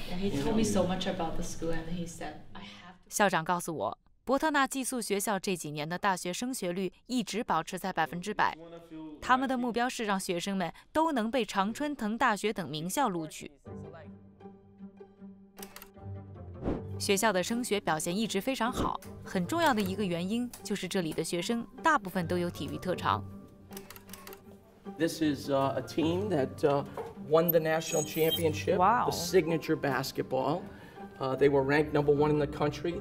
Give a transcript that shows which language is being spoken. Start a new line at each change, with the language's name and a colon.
English: Yeah, he told me so much about the school, and he said I have to.
Chinese: 校长告诉我，伯特纳寄宿学校这几年的大学升学率一直保持在100%。他们的目标是让学生们都能被常春藤大学等名校录取。学校的升学表现一直非常好，很重要的一个原因就是这里的学生大部分都有体育特长。
English: This is a team that won the national championship. Wow. The signature basketball. They were ranked number one in the country.